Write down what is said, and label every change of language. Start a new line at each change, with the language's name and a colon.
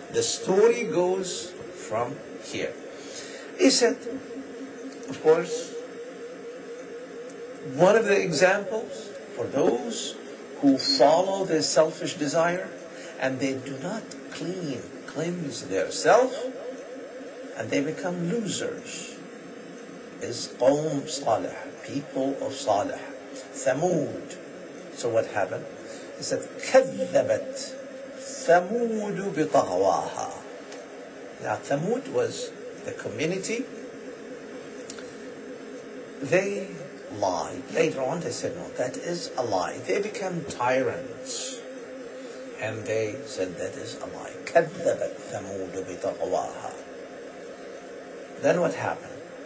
English: The story goes from here. He said, of course, one of the examples for those who follow their selfish desire and they do not cleanse their self and they become losers is Qawm Salih, people of Salih, Thamud. So what happened? He said,
Arabic: كَذَّبَتْ ثَمُودُ بِطَغْوَاهَا.
English: Now Thamud was the community. They lied. Later on they said, no, that is a lie. They became tyrants. And they said, that is a lie.
Arabic: كَذَّبَتْ ثَمُودُ بِطَغْوَاهَا.
English: Then what happened?